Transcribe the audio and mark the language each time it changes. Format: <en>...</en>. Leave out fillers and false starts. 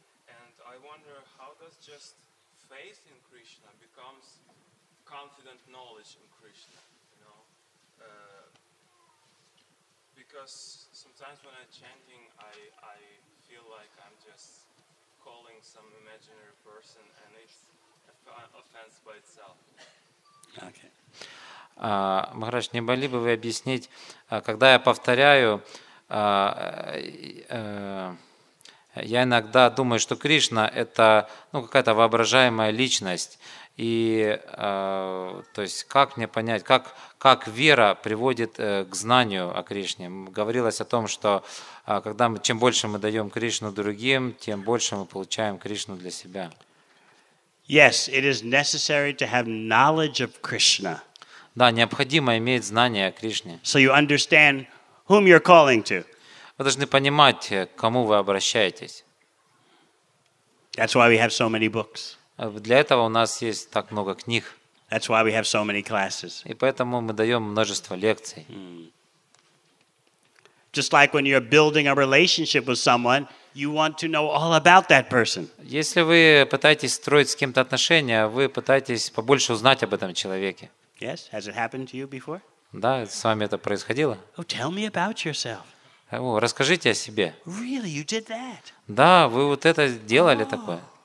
<en>And I wonder, how does just faith in Krishna becomes confident knowledge in Krishna, you know? Because sometimes when I'm chanting, I feel like I'm just calling some imaginary person, and it's offense by itself. Okay.</en> <ru>Махарадж, не могли бы вы объяснить, когда я повторяю, я иногда думаю, что Кришна – это ну, какая-то воображаемая личность. И то есть, как мне понять, как вера приводит к знанию о Кришне? Говорилось о том, что когда мы, чем больше мы даем Кришну другим, тем больше мы получаем Кришну для себя.</ru> <en>Yes, it is necessary to have knowledge of Krishna.</en> <ru>Да, необходимо иметь знание о Кришне.</ru> <en>So you understand whom you're calling to.</en> <ru>Вы должны понимать, к кому вы обращаетесь.</ru> <en>That's why we have so many books.</en> <ru>Для этого у нас есть так много книг.</ru> <en>That's why we have so many classes.</en> <ru>И поэтому мы даем множество лекций.</ru> <en>Just like when you're building a relationship with someone, you want to know all about that person.</en> <ru>Если вы пытаетесь строить с кем-то отношения, вы пытаетесь побольше узнать об этом человеке.</ru> <en>Yes, has it happened to you before?</en> <ru>Да, с вами это происходило?</ru> <en>Oh, tell me about yourself.</en> <ru>О, расскажите о себе.</ru> <en>Really, you did that?</en> <ru>Да, вы вот это делали такое.</ru>